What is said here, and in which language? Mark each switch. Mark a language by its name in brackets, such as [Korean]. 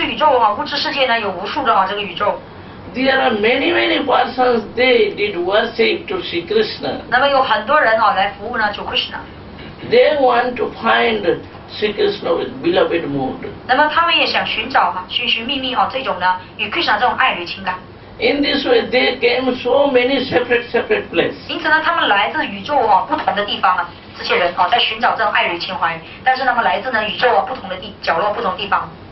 [Chinese] 那么在物质宇宙，物质世界呢有无数的这个宇宙。 [English] There are many persons they did worship to Sri Krishna. [Chinese] 那么有很多人来服务呢，就 Krishna. [English] They want to find Sri Krishna with beloved mood. [Chinese] 那么他们也想寻找寻寻觅觅这种呢与 Krishna 这种爱侣情感。 [English] In this way, they came so many separate places. [Chinese] 因此呢，他们来自宇宙不同的地方，这些人在寻找这种爱侣情怀，但是他们来自宇宙不同的角落不同地方。